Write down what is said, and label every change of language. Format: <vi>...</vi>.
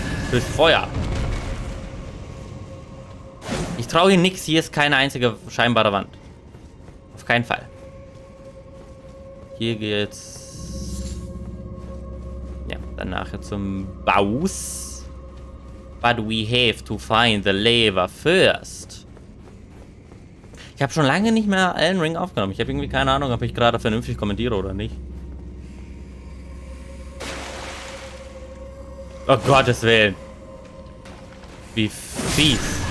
<de>Durch Feuer. Ich traue hier nichts. Hier ist keine einzige scheinbare Wand. Auf keinen Fall. Hier geht's... Ja, dann nachher zum Baus.</de> <en>But we have to find the lever first.</en> <de>Ich habe schon lange nicht mehr Elden Ring aufgenommen. Ich habe irgendwie keine Ahnung, ob ich gerade vernünftig kommentiere oder nicht. Oh Gottes Willen. Wie fies.</de>